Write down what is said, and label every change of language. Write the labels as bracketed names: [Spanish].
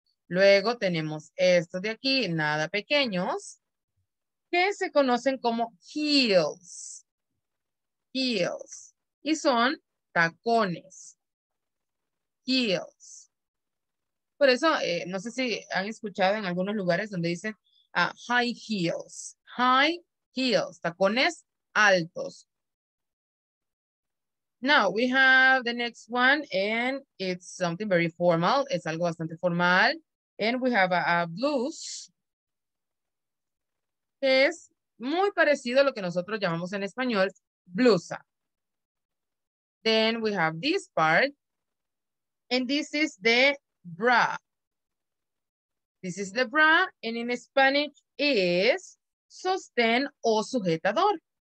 [Spanish] Luego tenemos estos de aquí, nada pequeños, que se conocen como heels. Heels. Y son tacones. Heels. Por eso, no sé si han escuchado en algunos lugares donde dicen high heels. High heels. Tacones altos. [English] Now, we have the next one and it's something very formal. [Spanish] Es algo bastante formal. [English] And we have a blouse. [Spanish] Que es muy parecido a lo que nosotros llamamos en español blusa. [English] Then we have this part, and this is the bra. This is the bra, and in Spanish is sostén o sujetador.